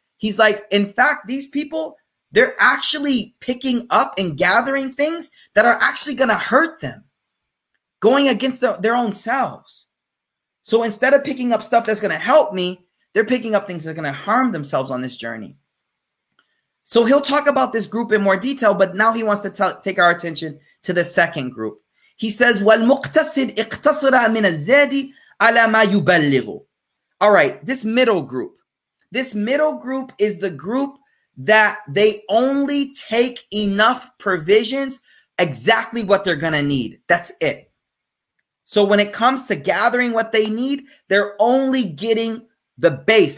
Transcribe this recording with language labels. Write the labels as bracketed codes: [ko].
[en] He's like, in fact, these people, they're actually picking up and gathering things that are actually going to hurt them, going against their own selves. So instead of picking up stuff that's going to help me, they're picking up things that are going to harm themselves on this journey. So he'll talk about this group in more detail, but now he wants to take our attention to the second group. He says, [ar] وَالْمُقْتَصِدْ اِقْتَصِرَ مِنَ الزَّادِ عَلَى مَا يُبَلِّغُ. [en] All right, this middle group. This middle group is the group that they only take enough provisions, exactly what they're going to need. That's it. So when it comes to gathering what they need, they're only getting the base.